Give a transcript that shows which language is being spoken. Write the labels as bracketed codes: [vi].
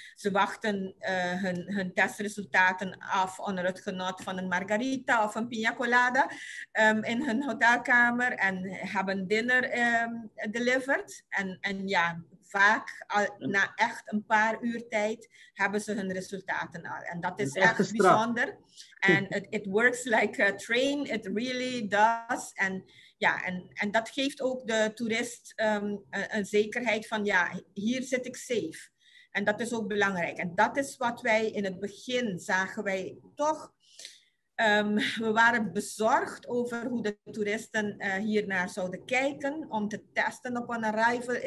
[nl] Ze wachten hun testresultaten af onder het genot van een margarita of een piña colada in hun hotelkamer en hebben diner delivered. En vaak na echt een paar uur tijd hebben ze hun resultaten al. En dat is echt bijzonder. [en] En it works like a train, it really does. [nl] En ja, en dat geeft ook de toerist een zekerheid van ja, hier zit ik safe. En dat is ook belangrijk. En dat is wat wij in het begin zagen wij toch. We waren bezorgd over hoe de toeristen hiernaar zouden kijken om te testen op een arrival.